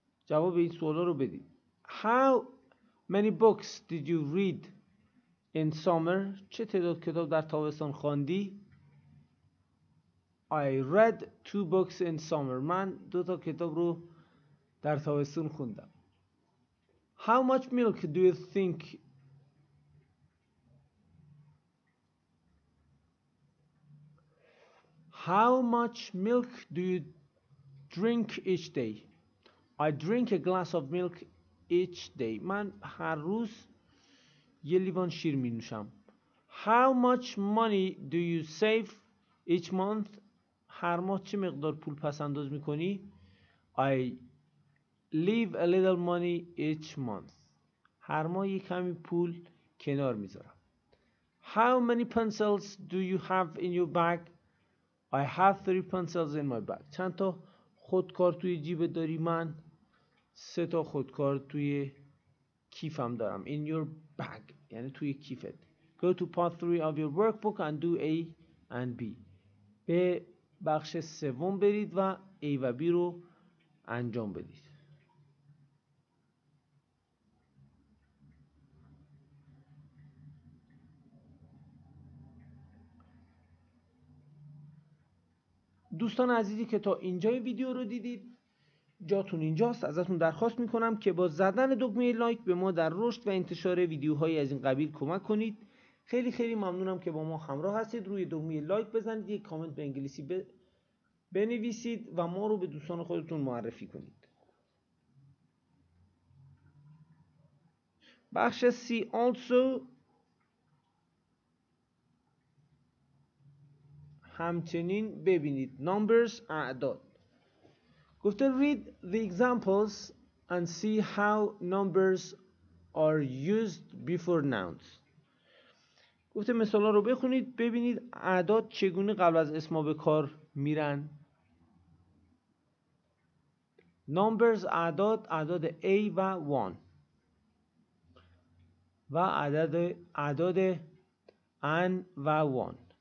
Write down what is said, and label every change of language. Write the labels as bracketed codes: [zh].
[fa] جواب این سوال رو بدید. [en] How many books did you read in summer؟ [fa] چه تعداد کتاب در تابستان خواندی؟ [en] I read 2 books in summer. [fa] من 2 تا کتاب رو در تابستون خوندم. [en] How much milk do you think How much milk do you drink each day? I drink a glass of milk each day. [fa] من هر روز یه لیوان شیر می نوشم. [en] How much money do you save each month? [fa] هر ماه چه مقدار پول پس انداز می کنی؟ [en] I leave a little money each month. [fa] هر ماه یه کمی پول کنار می ذارم. [en] How many pencils do you have in your bag? I have 3 pencils in my bag. [fa] چند تا خودکار توی جیب داری؟ من 3 تا خودکار توی کیفم دارم. [en] In your bag [fa] یعنی توی کیفت. [en] Go to part 3 of your workbook and do A and B. [fa] به بخش سوم برید و A و B رو انجام بدید. دوستان عزیزی که تا اینجای ویدیو رو دیدید، جاتون اینجاست، ازتون درخواست میکنم که با زدن دکمه لایک به ما در رشد و انتشار ویدیوهایی از این قبیل کمک کنید. خیلی خیلی ممنونم که با ما همراه هستید. روی دکمه لایک بزنید، یک کامنت به انگلیسی بنویسید و ما رو به دوستان خودتون معرفی کنید. بخش سی آلسو همچنین ببینید. Numbers اعداد. [en] گفته read the examples and see how numbers are used before nouns. [fa] گفته مثالا رو بخونید ببینید اعداد چگونه قبل از اسما به کار میرن. Numbers اعداد، اعداد A و 1 و اعداد N و 1.